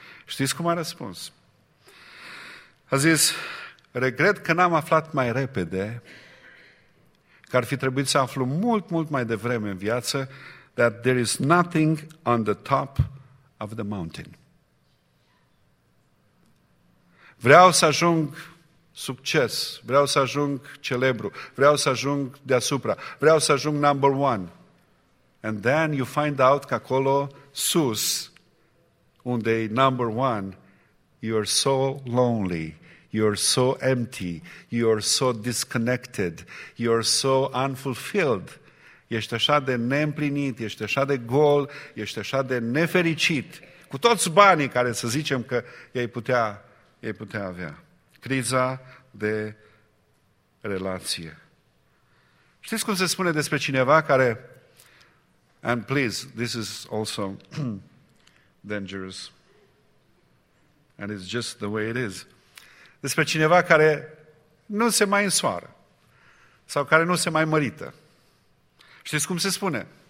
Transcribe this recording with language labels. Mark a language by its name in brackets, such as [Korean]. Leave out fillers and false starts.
[Romanian] Știți cum a răspuns? A zis, regret că n-am aflat mai repede că ar fi trebuit să aflu mult, mult mai devreme în viață [English] that there is nothing on the top of the mountain. [Romanian] Vreau să ajung succes, vreau să ajung celebru, vreau să ajung deasupra, vreau să ajung [English] number one. And then you find out [Romanian] că acolo, sus, unde e [English] number one, you are so lonely, you are so empty, you are so disconnected, you are so unfulfilled. [Romanian] Ești așa de neîmplinit, ești așa de gol, ești așa de nefericit, cu toți banii care să zicem că ei putea avea. Criza de relație. Știți cum se spune despre cineva care, [English] and please, this is also dangerous, and it's just the way it is, [Romanian] despre cineva care nu se mai însoară sau care nu se mai mărită. Știți cum se spune?